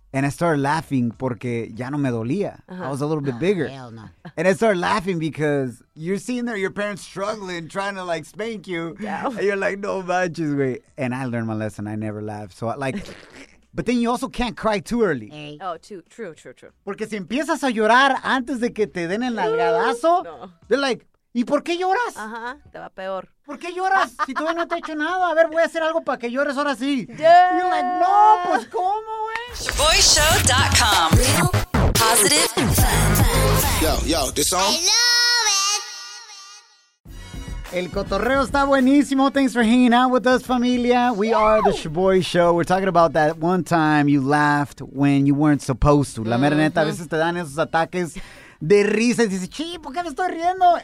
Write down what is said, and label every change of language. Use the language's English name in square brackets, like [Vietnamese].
[English] And I started laughing [Spanish] porque ya no me dolía. Uh-huh. [English] I was a little bit bigger. Hell no. And I started laughing because you're seeing there your parents struggling, trying to like spank you. Yeah. And you're like, [Spanish] no manches, güey. [English] And I learned my lesson. I never laugh. So I, like, But then you also can't cry too early. Hey. Oh, too true, true, true. [Spanish] Porque si empiezas a llorar antes de que te den el nalgadazo, [English] they're like, [Spanish] ¿y por qué lloras? Ajá, te va peor. ¿Por qué lloras? Si tú no te has hecho nada. A ver, voy a hacer algo para que llores ahora sí. [English] Yeah. You're like, [Spanish] no, pues ¿cómo, güey? [English] Shaboyshow.com. Positive and fun. Yo, this song. I love it. [Spanish] El cotorreo está buenísimo. [English] Thanks for hanging out with us, familia. We are the Shaboy Show. We're talking about that one time you laughed when you weren't supposed to. [Spanish] La mera neta, a veces te dan esos ataques de risa y dices, chi, ¿por qué me estoy riendo?